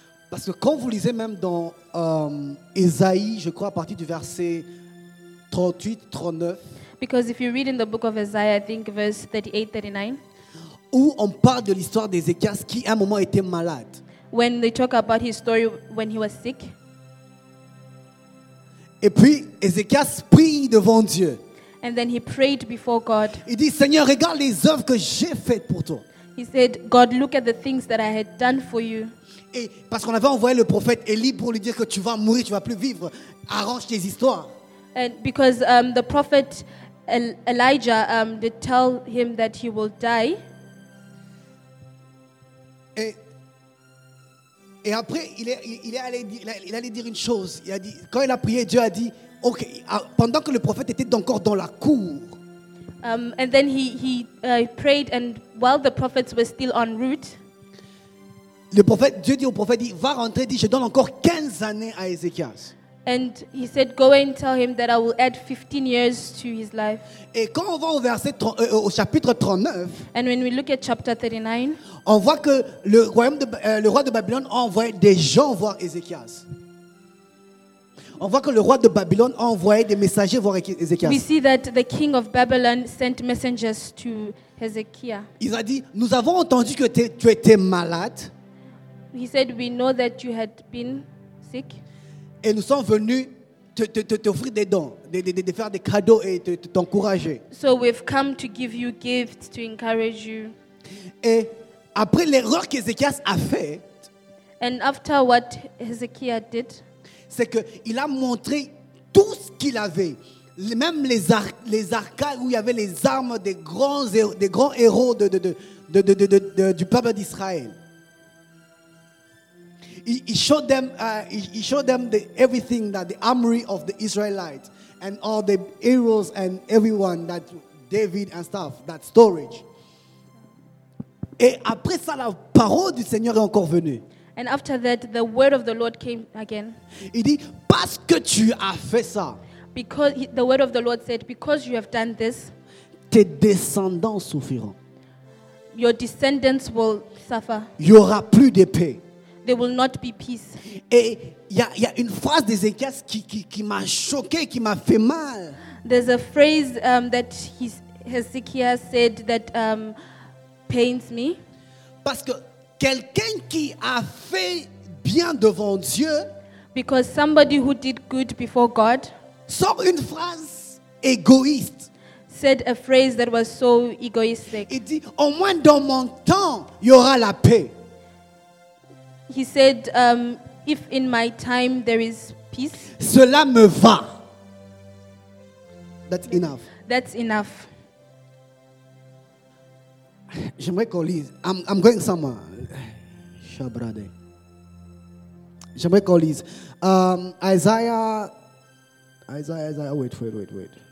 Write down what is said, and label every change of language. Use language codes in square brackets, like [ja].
[fr] Parce que quand vous lisez même dans Esaïe, je crois à partir du verset 38-39. [en] Because if you read in the book of Isaiah, I think verse 38-39. [fr] Où on parle de l'histoire d'Ézéchias qui à un moment était malade. [en] When they talk about his story when he was sick. [fr] Et puis Ézéchias prie devant Dieu. [en] And then he prayed before God. [fr] Il dit, Seigneur, regarde les œuvres que j'ai faites pour toi. [en] He said, God, look at the things that I had done for you. [fr] Et parce qu'on avait envoyé le prophète Élie pour lui dire que tu vas mourir, tu vas plus vivre. Arrange tes histoires. [en] And because the prophet Elijah did tell him that he will die. [fr] Et après, il est allé dire une chose. Il a dit, quand il a prié, Dieu a dit, OK. Pendant que le prophète était encore dans la cour. [en] And then he prayed, and while the prophets were still en route. [fr] Le prophète, Dieu dit au prophète, dit, va rentrer, dit, je donne encore 15 années à Ézéchias. [en] And he said, go and tell him that I will add 15 years to his life. [fr] Et quand on va au chapitre 39, [en] and when we look at chapter 39, [fr] on voit que le roi de Babylone a envoyé des gens voir Ézéchias. On voit que le roi de Babylone a envoyé des messagers voir Ézéchias. [en] We see that the king of Babylon sent messengers to Hezekiah. [fr] Il a dit, nous avons entendu que tu étais malade. [en] He said, we know that you had been sick. [fr] Et nous sommes venus te offrir des dons, de faire des cadeaux et te t'encourager. [en] So we've come to give you gifts to encourage you. [fr] Et après l'erreur qu'Ézéchias a faite, [en] and after what Hezekiah did, [fr] c'est que il a montré tout ce qu'il avait, même les arcades où il y avait les armes des grands héros de du peuple d'Israël. [en] He showed them the everything that the armory of the Israelites and all the heroes and everyone that David and stuff that storage. [fr] Et après ça, la parole du Seigneur est encore venue. [en] And after that, the word of the Lord came again. [fr] Il dit, parce que tu as fait ça. [en] Because the word of the Lord said, because you have done this, [fr] tes descendants souffriront. [en] Your descendants will suffer. [fr] Il y aura plus de paix. [en] There will not be peace. [fr] Et il y a une phrase d'Ézéchias qui m'a choqué, qui m'a fait mal. [en] There's a phrase that Hezekiah said that pains me. [fr] Parce que quelqu'un qui a fait bien devant Dieu, [en] because somebody who did good before God, [fr] sort une phrase égoïste. [en] Said a phrase that was so egoistic. [fr] Il dit, au moins dans mon temps, il y aura la paix. [en] He said, if in my time there is peace, [fr] cela me va. [en] That's enough. That's enough. [fr] J'aimerais qu'on lise. [en] I'm going somewhere. [fr] Shabrade. J'aimerais qu'on lise. Isaiah. Wait.